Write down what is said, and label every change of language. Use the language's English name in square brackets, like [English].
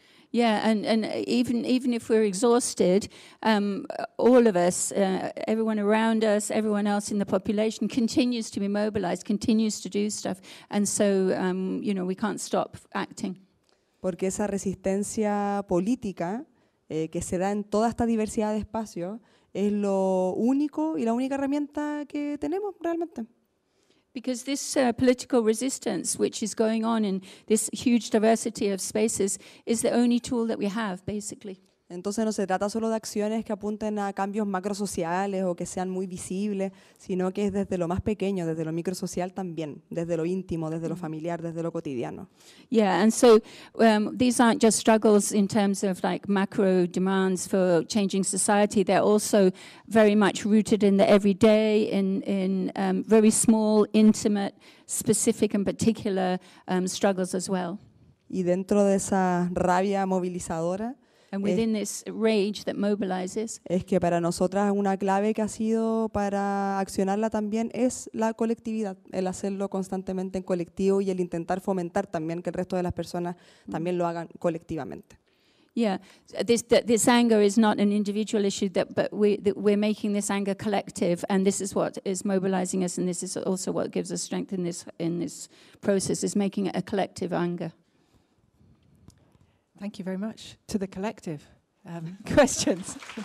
[English] Yeah, and even if we're exhausted, all of us, everyone around us, everyone else in the population continues to be mobilized, continues to do stuff, and so you know, we can't stop acting. [Spanish] Porque esa resistencia política que se da en toda esta diversidad de espacios es lo único y la única herramienta que tenemos realmente. [English] Because this political resistance, which is going on in this huge diversity of spaces, is the only tool that we have, basically. [Spanish] Entonces no se trata solo de acciones que apunten a cambios macrosociales o que sean muy visibles, sino que es desde lo más pequeño, desde lo microsocial también, desde lo íntimo, desde lo familiar, desde lo cotidiano. [English] Yeah, and so these aren't just struggles in terms of like macro demands for changing society. They're also very much rooted in the everyday, in very small, intimate, specific and particular struggles as well. [Spanish] Y dentro de esa rabia movilizadora, [English] and within this rage that mobilizes, [Spanish] es que para nosotras una clave que ha sido para accionarla también es la colectividad, el hacerlo constantemente en colectivo y el intentar fomentar también que el resto de las personas también lo hagan colectivamente. [English] Yeah, this anger is not an individual issue, but we're making this anger collective, and this is what is mobilizing us, and this is also what gives us strength in this process, is making it a collective anger. Thank you very much. To the collective, questions.